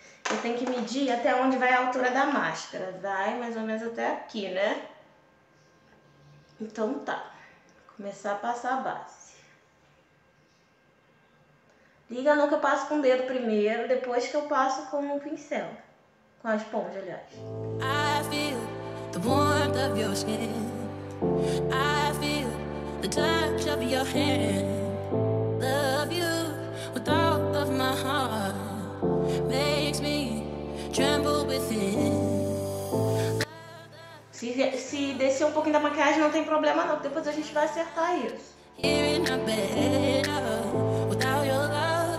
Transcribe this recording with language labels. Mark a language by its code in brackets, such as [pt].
[pt] Eu tenho que medir até onde vai a altura da máscara. Vai mais ou menos até aqui, né? Então tá. Vou começar a passar a base. Liga não que eu passo com o dedo primeiro, depois que eu passo com o pincel. Com a esponja, aliás. [en] I feel the warmth of your skin. I feel the touch of your hand. Love you with all of my heart. Makes me tremble within. [pt] Se descer um pouquinho da maquiagem, não tem problema não, porque depois a gente vai acertar isso. [en] Hearing a bed without your love.